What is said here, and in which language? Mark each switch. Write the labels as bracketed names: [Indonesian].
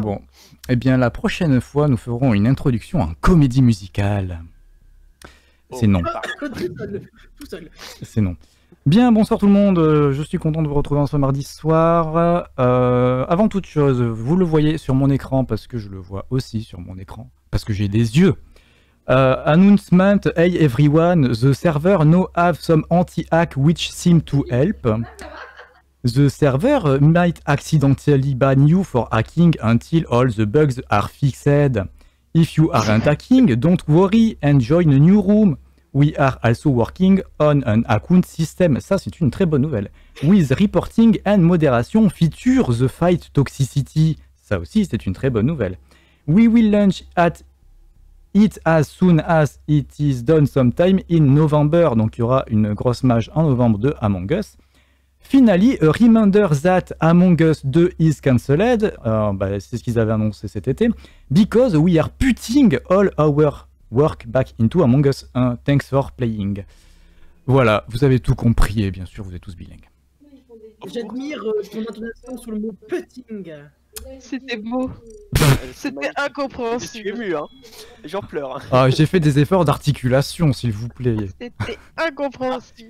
[French] Bon, eh bien la prochaine fois nous ferons une introduction en comédie musicale. C'est non. tout seul, tout seul. C'est non. Bien, bonsoir tout le monde, je suis content de vous retrouver en ce mardi soir. Avant toute chose, vous le voyez sur mon écran, parce que je le vois aussi sur mon écran, parce que j'ai des yeux. [English] Announcement, hey everyone, the server now have some anti-hack which seem to help. The server might accidentally ban you for hacking until all the bugs are fixed. If you aren't hacking, don't worry and join a new room. We are also working on an account system. [French] Ça, c'est une très bonne nouvelle. [English] With reporting and moderation feature the fight toxicity. [French] Ça aussi, c'est une très bonne nouvelle. [English] We will launch at it as soon as it is done sometime in November. [French] Donc, il y aura une grosse maj en novembre de Among Us. [English] Finally, a reminder that Among Us 2 is cancelled. [French] Bah, c'est ce qu'ils avaient annoncé cet été. [English] Because we are putting all our work back into Among Us 1. Thanks for playing. [French] Voilà, vous avez tout compris et bien sûr, vous êtes tous bilingues. J'admire ton intonation sur le mot putting. C'était beau. C'était Je suis incompréhensible. ému, hein. J'en pleure. Ah, j'ai fait des efforts d'articulation, s'il vous plaît. C'était incompréhensible.